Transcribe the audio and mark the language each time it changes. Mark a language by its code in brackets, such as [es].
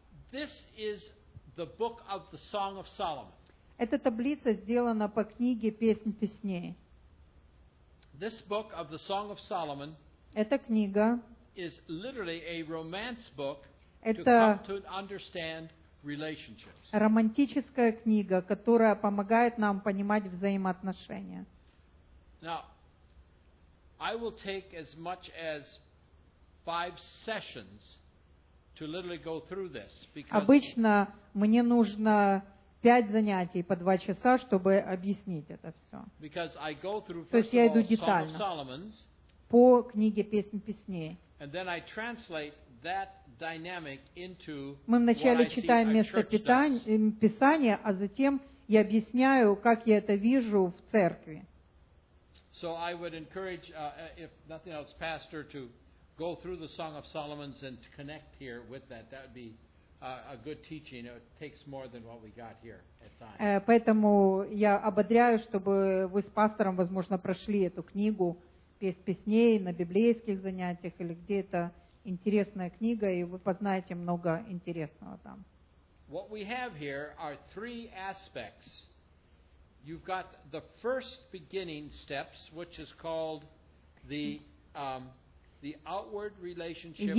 [en] This is the book of the Song of Solomon. [ru] Эта таблица сделана по книге Песнь Песней. [en] This book of the Song of Solomon. [ru] Эта книга. [en] Is literally a romance book. [ru] Это [en] to come to understand relationships. [ru] Романтическая книга, которая помогает нам понимать взаимоотношения. [en] Now, I will take as much as 5 sessions. To literally go through this, because [ru] обычно мне нужно 5 занятий по 2 часа, чтобы объяснить это все. [en] Because I go through, [ru] то есть я иду детально [en] Solomon's, [ru] по книге Песнь Песней. [en] And then I translate that dynamic into [ru] мы вначале читаем место Писания, а затем я объясняю, как я это вижу в церкви. [en] So I would encourage, if nothing else, pastor, to go through the Song of Solomon's and connect here with that. That would be a good teaching. It takes more than what we got here at times. [ru] Поэтому я ободряю, чтобы вы с пастором, возможно, прошли эту книгу Песнь Песней на библейских занятиях или где это интересная книга, и вы познаете много интересного там. [en] What we have here are 3 aspects. You've got the first beginning steps, which is called the the outward relationship with the body.